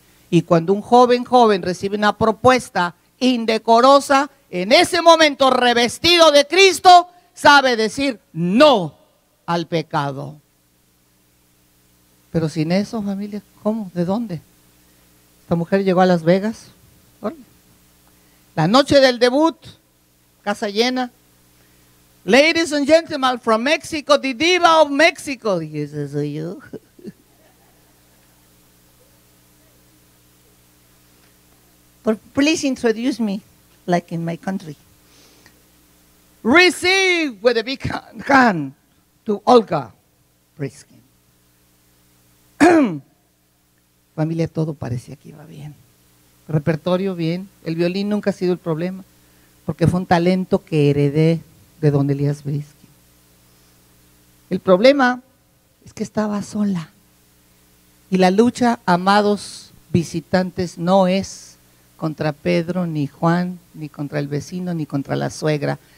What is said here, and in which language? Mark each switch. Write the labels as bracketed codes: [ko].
[es] Y cuando un joven recibe una propuesta indecorosa, en ese momento revestido de Cristo, sabe decir no al pecado. Pero sin eso, familia, ¿cómo? ¿De dónde? Esta mujer llegó a Las Vegas. La noche del debut, casa llena. [en] Ladies and gentlemen from Mexico, the diva of Mexico. [es] Y ese soy yo. [en] But please introduce me, like in my country. Receive with a big hand to Olga Priskin. [es] Familia, todo parecía que iba bien. Repertorio bien. El violín nunca ha sido el problema, porque fue un talento que heredé de don Elías Priskin. El problema es que estaba sola. Y la lucha, amados visitantes, no es contra Pedro, ni Juan, ni contra el vecino, ni contra la suegra.